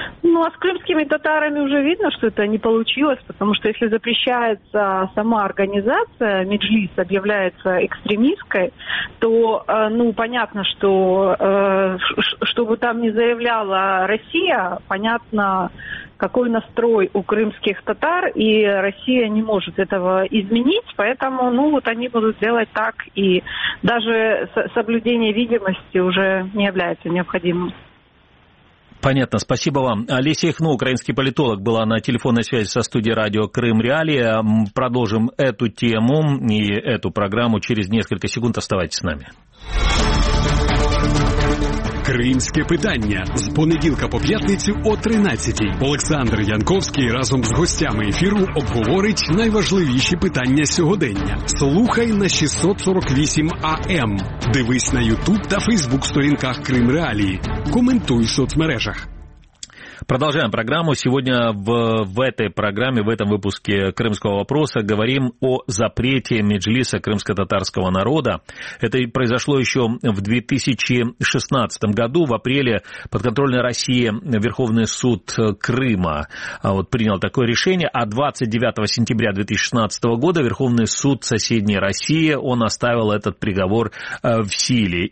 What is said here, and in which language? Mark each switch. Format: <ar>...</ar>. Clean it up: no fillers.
<ru>Ну, а с крымскими татарами уже видно, что это не получилось, потому что если запрещается сама организация, Меджлис объявляется экстремистской, то, ну, понятно, что, что бы там ни заявляла Россия, понятно, какой настрой у крымских татар, и Россия не может этого изменить, поэтому, ну, вот они будут делать так, и даже соблюдение видимости уже не является необходимым. Понятно, спасибо вам. Олеся Ихну, украинский политолог, была на телефонной связи со студией радио «Крым Реалия». Продолжим эту тему и эту программу через несколько секунд. Оставайтесь с нами.</ru> <uk>Кримське питання з понеділка по п'ятницю о 13:00. Олександр Янковський разом з гостями ефіру обговорить найважливіші питання сьогодення. Слухай на 648 АМ. Дивись на Ютуб та Фейсбук сторінках Крим Реалії. Коментуй в соцмережах.</uk> <ru>Продолжаем программу. Сегодня в этой программе, в этом выпуске «Крымского вопроса» говорим о запрете Меджлиса крымско-татарского народа. Это произошло еще в 2016 году. В апреле подконтрольная Россия Верховный суд Крыма вот, принял такое решение, а 29 сентября 2016 года Верховный суд соседней России, он оставил этот приговор в силе.</ru>